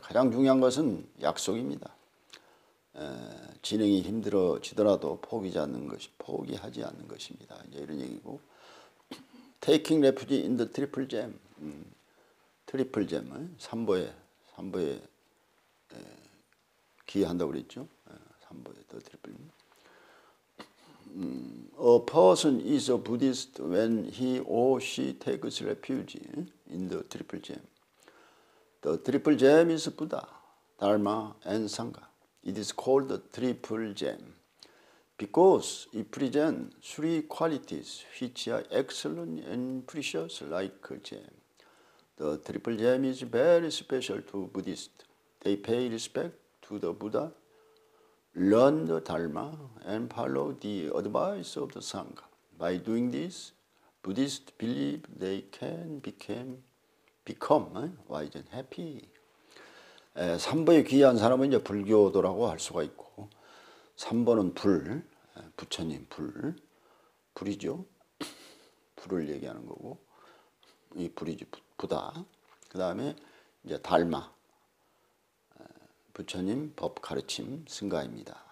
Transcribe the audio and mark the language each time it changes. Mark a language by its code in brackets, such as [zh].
[ko] 가장 중요한 것은 약속입니다. 진행이 힘들어지더라도 포기하지 않는 것입니다. 이제 이런 얘기고. [en] Taking refuge in the triple gem. triple gem. [ko] 삼보에 귀한다고 그랬죠. 삼보에 the triple gem. [en] A person is a Buddhist when he or she takes refuge in the Triple Gem. The Triple Gem is Buddha, Dharma, and Sangha. It is called the Triple Gem because it presents three qualities which are excellent and precious like gem. The Triple Gem is very special to Buddhists. They pay respect to the Buddha, learn the Dharma and follow the advice of the Sangha. By doing this, Buddhists believe they can become wise and happy. [ko] 삼보에 귀한 사람은 이제 불교도라고 할 수가 있고, 삼보는 불, 부처님 불, 불이죠. 불을 얘기하는 거고, 이 불이지 부다. 그 다음에 이제 달마. 부처님 법 가르침 승가입니다.